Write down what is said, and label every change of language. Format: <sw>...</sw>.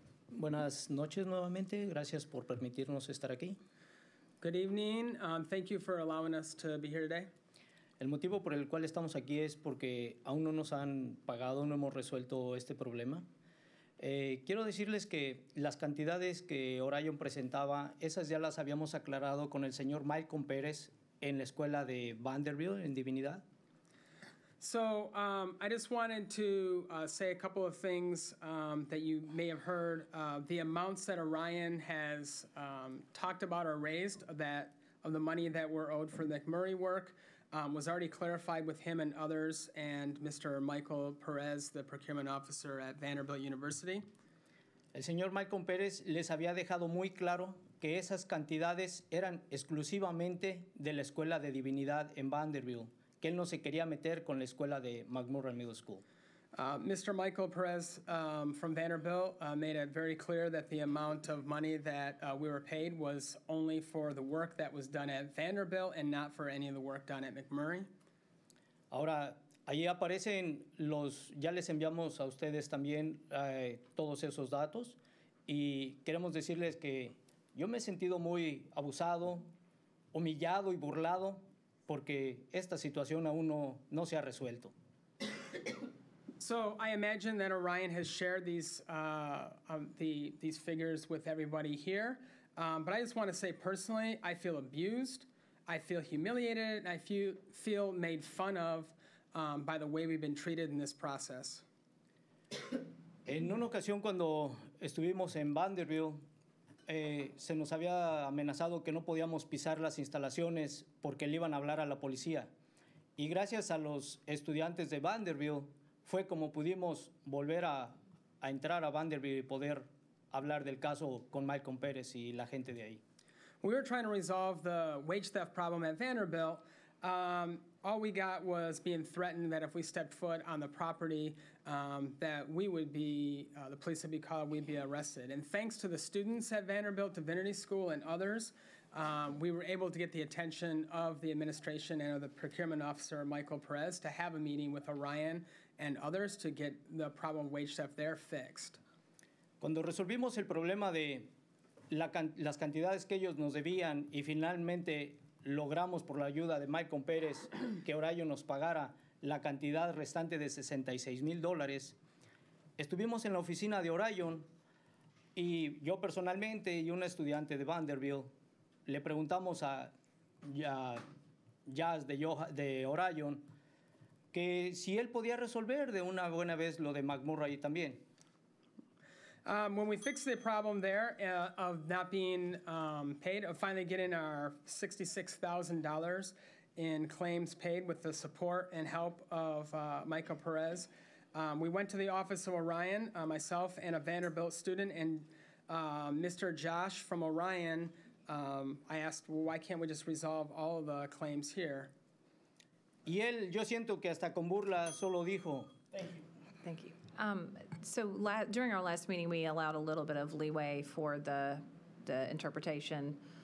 <es>Buenas noches nuevamente. Gracias por permitirnos estar aquí.</es> <en>Good evening. Thank you for allowing us to be here today.</en> <es>El motivo por el cual estamos aquí es porque aún no nos han pagado, no hemos resuelto este problema. Quiero decirles que las cantidades que Orion presentaba, esas ya las habíamos aclarado con el señor Malcolm Pérez en la escuela de Vanderbilt, en Divinidad.</es> <en>So, I just wanted to say a couple of things that you may have heard. The amounts that Orion has talked about or raised of the money that we're owed for the McMurray work was already clarified with him and others and Mr. Michael Perez, the procurement officer at Vanderbilt University.</en> <es>El señor Malcolm Pérez les había dejado muy claro que esas cantidades eran exclusivamente de la Escuela de Divinidad en Vanderbilt. Que él no se quería meter con la escuela de McMurray Middle School.</es> <en>Mr. Michael Perez from Vanderbilt made it very clear that the amount of money that we were paid was only for the work that was done at Vanderbilt and not for any of the work done at McMurray.</en> <es>Ahora, ahí aparecen los, ya les enviamos a ustedes también todos esos datos, y queremos decirles que yo me he sentido muy abusado, humillado y burlado, porque esta situación aún no se ha resuelto.</es> <en>So I imagine that Orion has shared these figures with everybody here, but I just want to say personally, I feel abused, I feel humiliated, and I feel made fun of by the way we've been treated in this process.</en> <es>En una ocasión cuando estuvimos en Vanderbilt, se nos había amenazado que no podíamos pisar las instalaciones porque le iban a hablar a la policía. Y gracias a los estudiantes de Vanderbilt, fue como pudimos volver a entrar a Vanderbilt y poder hablar del caso con Malcolm Pérez y la gente de ahí.</es> <en>We were trying to resolve the wage theft problem at Vanderbilt. All we got was being threatened that if we stepped foot on the property, that we would be, the police would be called, we'd be arrested. And thanks to the students at Vanderbilt Divinity School and others, we were able to get the attention of the administration and of the procurement officer, Michael Perez, to have a meeting with Orion and others to get the problem of wage theft there fixed.</en> <es>Cuando resolvimos el problema de las cantidades que ellos nos debían y finalmente logramos por la ayuda de Malcolm Pérez que Orion nos pagara la cantidad restante de $66,000. Estuvimos en la oficina de Orion y yo personalmente y un estudiante de Vanderbilt le preguntamos a Jazz de Orion que si él podía resolver de una buena vez lo de McMurray también.</es> <en>When we fixed the problem there of not being paid, of finally getting our $66,000 in claims paid with the support and help of Michael Perez, we went to the office of Orion, myself and a Vanderbilt student, and Mr. Josh from Orion, I asked, well, why can't we just resolve all of the claims here?</en> <es>Y él, yo siento que hasta con burla solo dijo.</es> <en>Thank you. Thank you. During our last meeting, we allowed a little bit of leeway for the interpretation.</en>